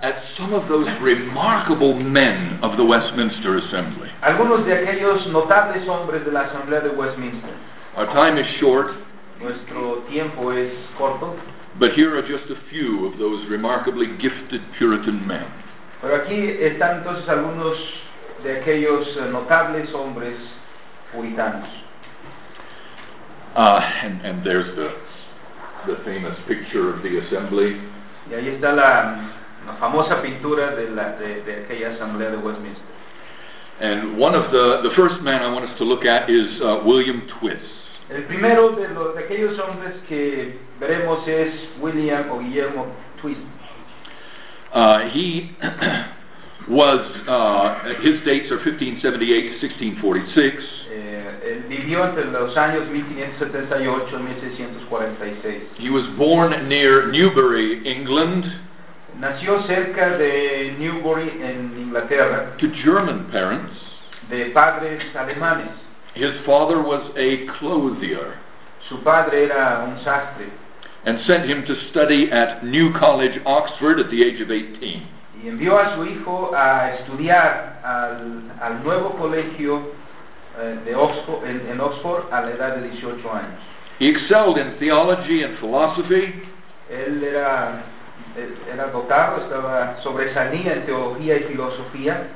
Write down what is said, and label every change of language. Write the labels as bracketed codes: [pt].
[en] at some of those remarkable men of the Westminster Assembly. [es] Algunos de aquellos notables hombres de la Asamblea de Westminster. [en] Our time is short. [es] Nuestro tiempo es corto. [en] But here are just a few of those remarkably gifted Puritan men. [es] Pero aquí están entonces algunos de aquellos notables hombres puritanos. [en] And there's the famous picture of the Assembly. [es] Y ahí está la famosa pintura de aquella Asamblea de Westminster. [en] And one of the first men I want us to look at is William Twiss. [es] El primero de aquellos hombres que veremos es William o Guillermo Twiss. [en] He was, his dates are 1578 to 1646. [es] Él vivió entre los años 1578 y 1646. [en] He was born near Newbury, England. [es] Nació cerca de Newbury en Inglaterra. [en] To German parents. [es] De padres alemanes. [en] His father was a clothier. [es] Su padre era un sastre. [en] And sent him to study at New College, Oxford at the age of 18. [es] Y envió a su hijo a estudiar al nuevo colegio de Oxford, en Oxford, a la edad de 18 años. [en] He excelled in theology and philosophy. [es] Él era era dotado, estaba sobresalía en teología y filosofía.